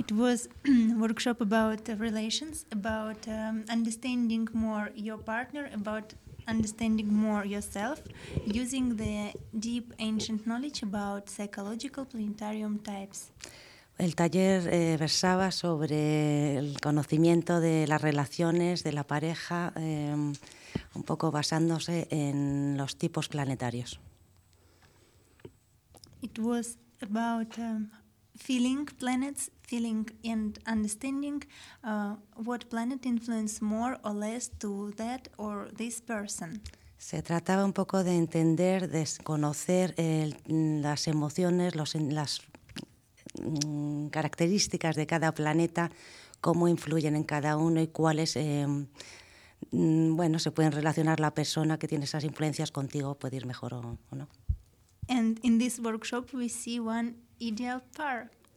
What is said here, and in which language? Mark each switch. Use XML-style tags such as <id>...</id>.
<en>It was a workshop about relations, about understanding more your partner, about understanding more yourself, using the deep ancient knowledge about psychological planetarium types.</en> <es>El taller versaba sobre el conocimiento de las relaciones de la pareja, un poco basándose en los tipos planetarios.</es> <en>It was about feeling planets, feeling and understanding what planet influence more or less to that or this person.</en> <es>Se trataba un poco de entender, de conocer las emociones, las características de cada planeta, cómo influyen en cada uno y cuáles, se pueden relacionar la persona que tiene esas influencias contigo, puede ir mejor o no.</es> <en>And in this workshop we see one ideal pair.</en>